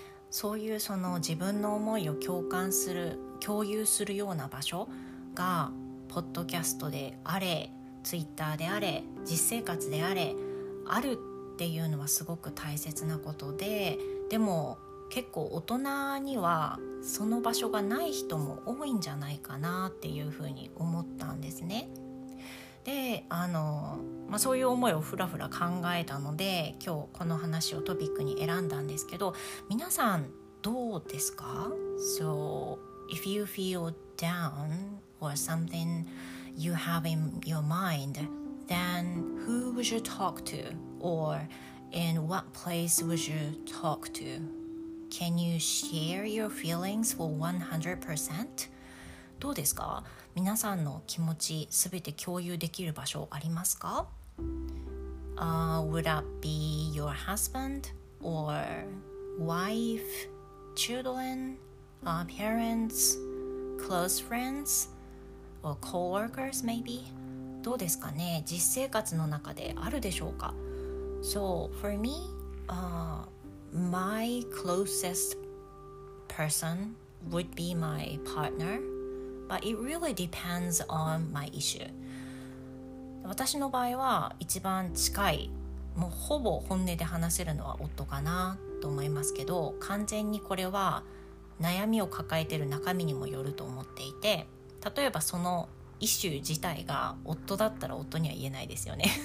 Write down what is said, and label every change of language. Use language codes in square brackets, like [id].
[ja] そういうその自分の思いを共感する、共有するような場所がポッドキャストであれ、ツイッターであれ、実生活であれ、あるっていうのはすごく大切なことで、でも結構大人にはその場所がない人も多いんじゃないかなっていうふうに思ったんですね。で、そういう思いをふらふら考えたので、今日この話をトピックに選んだんですけど、皆さんどうですか？ [en] So if you feel down or something you have in your mind,Then who would you talk to, or in what place would you talk to? Can you share your feelings for 100%? [ja] どうですか？皆さんの気持ち全て共有できる場所ありますか？ [en] Would that be your husband or wife, children, parents, close friends, or co-workers maybe? [ja] どうですかね？実生活の中であるでしょうか？ [en] So for me, my closest person would be my partner. But it really depends on my issue. [ja] 私の場合は一番近い、もうほぼ本音で話せるのは夫かなと思いますけど、完全にこれは悩みを抱えている中身にもよると思っていて、例えばそのイシュー自体が夫だったら夫には言えないですよね。